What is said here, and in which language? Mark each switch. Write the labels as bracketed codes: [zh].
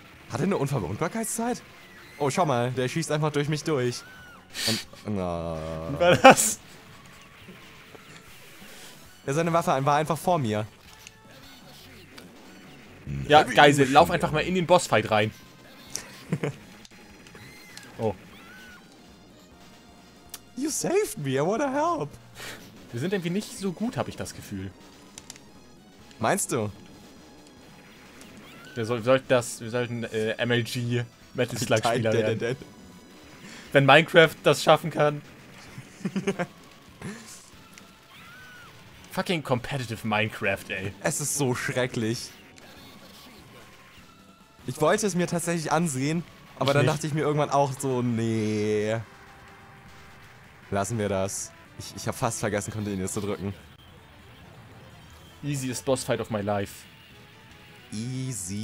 [de] Hat er eine Unverwundbarkeitszeit? Oh, schau mal, der schießt einfach durch mich durch. Wie war das? Ja, seine Waffe war einfach vor mir. Ja, Geisel, lauf einfach mal in den Bossfight rein. Oh. [en] You saved me, I wanna help. [de] Wir sind irgendwie nicht so gut, habe ich das Gefühl. Meinst du? Wir sollten MLG Metal Slug Spieler werden. [en] Dead. [de] Wenn Minecraft das schaffen kann. [en] Fucking competitive Minecraft, ey. [de] Es ist so schrecklich. Ich wollte es mir tatsächlich ansehen. Aber dann dachte ich mir irgendwann auch so, nee. Lassen wir das. Ich habe fast vergessen, Continue zu drücken. [en] Easiest Bossfight of my life. Easy.